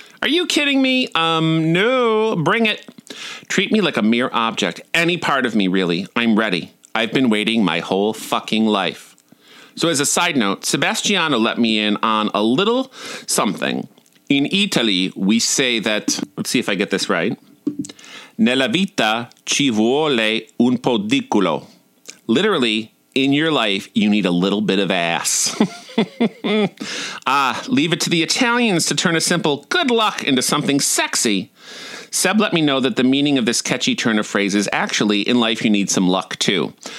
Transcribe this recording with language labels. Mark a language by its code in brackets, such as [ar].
[en] Are you kidding me? No, bring it. Treat me like a mere object. Any part of me, really. I'm ready. I've been waiting my whole fucking life. So as a side note, Sebastiano let me in on a little something. In Italy, we say that, let's see if I get this right. [it] Nella vita ci vuole un po' di culo. [en] Literally, in your life, you need a little bit of ass. leave it to the Italians to turn a simple good luck into something sexy. Seb let me know that the meaning of this catchy turn of phrase is actually, in life you need some luck too.